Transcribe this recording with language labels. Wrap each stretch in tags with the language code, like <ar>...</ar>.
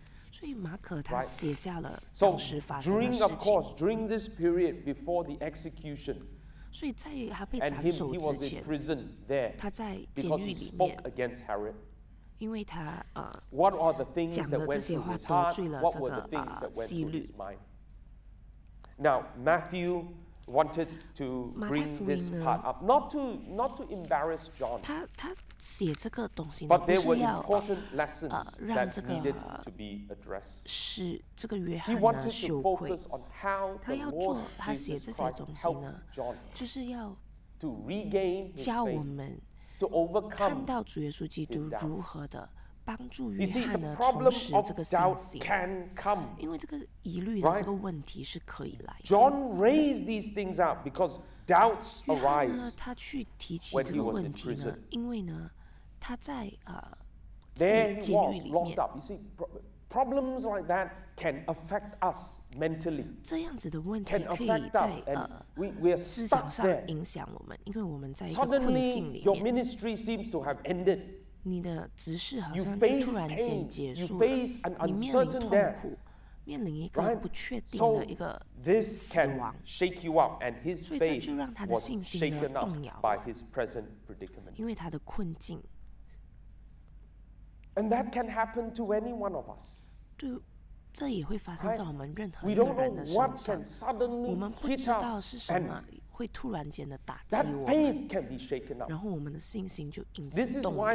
<zh>所以马可他写下了当时发生的事情。</zh> <en>during this period before the execution,</en> <zh>所以在他被斩首之前，他在监狱里面，因为他讲的这些话得罪了这个希律。</zh> <en>Now Matthew wanted to bring this part up, not to embarrass John.</en> <zh>他写这个东西呢，不是要让这个使这个约翰呢羞愧。他要做，他写这些东西呢，就是要教我们看到主耶稣基督如何的帮助约翰呢重拾这个信心。因为这个疑虑的这个问题是可以来的。</zh> <en>John raised these things up because doubts arise.</en> <zh>约翰呢，他去提起这个问题呢，因为呢，他在在监狱里面。</zh> <en>You see, problems like that can affect us mentally.</en> <zh>这样子的问题可以在思想上影响我们，因为我们在一个困境里面。</zh> <en>Suddenly, your ministry seems to have ended.</en> <zh>你的职事好像就突然间结束了，你面临痛苦，面临一个不确定的一个死亡，所以这就让他的信心呢动摇了，因为他的困境。</zh> <en>And that can happen to any one of us.</en> <zh>对，这也会发生在我们任何一个人的身上。我们不知道是什么。会突然间的打击我们，然后我们的信心就因此动摇。</zh>